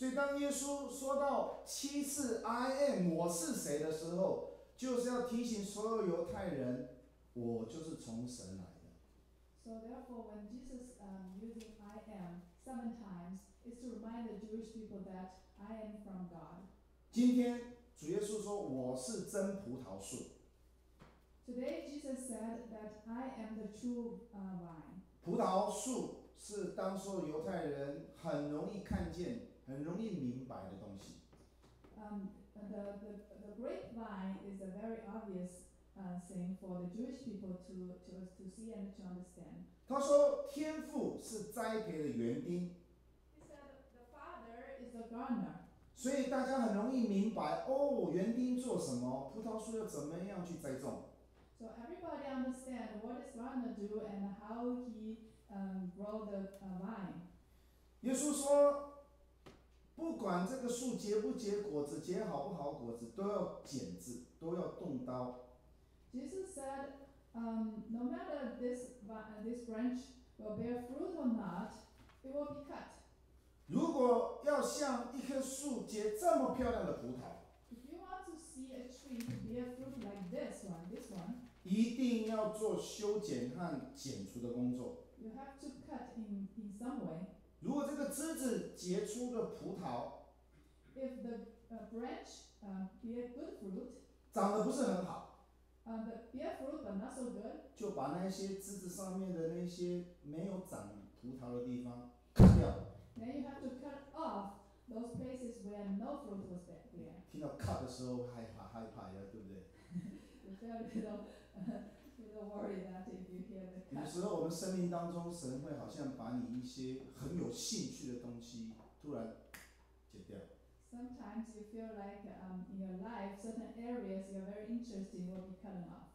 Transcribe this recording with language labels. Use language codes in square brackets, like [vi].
[zh] 所以当耶稣说到七次 [en] I am [zh] 我是谁的时候，就是要提醒所有犹太人，我就是从神来的。 [en] So therefore, when Jesus using I am seven times, it's to remind the Jewish people that I am from God. [zh] 今天主耶稣说我是真葡萄树。 [en] Today Jesus said that I am the true vine. [zh] 葡萄树是当时犹太人很容易看见、很容易明白的东西。 [en] The grapevine is a very obvious thing for the Jewish people to see and to understand. [zh] 他说天父是栽培的园丁。 [en] He said the Father is a gardener. [zh] 所以大家很容易明白，哦，园丁做什么，葡萄树要怎么样去栽种。 [en] So everybody understand what is gardener do and how he grow the vine. [zh] 耶稣说不管这个树结不结果子，结好不好果子，都要剪子，都要动刀。 [en] Jesus said, no matter this branch will bear fruit or not, it will be cut. [zh] 如果要像一棵树结这么漂亮的葡萄 [en] ，If you want to see a tree to bear fruit like this one, [zh] 一定要做修剪和剪除的工作。 [en] You have to cut in some way. [zh] 如果这个枝子结出的葡萄 [en] ，If the branch bear good fruit， [zh] 长得不是很好 [en] ，The bear fruit but not so good， [zh] 就把那些枝子上面的那些没有长葡萄的地方砍掉。 [en] Then you have to cut off those places where no fruit was there. [zh] 听到 cut 的时候害怕呀，对不对？ [en] You feel a little worried that if you hear the cut. [zh] 有时候我们生命当中，神会好像把你一些很有兴趣的东西突然剪掉。 [en] Sometimes you feel like in your life, certain areas you're very interested in will be cut off.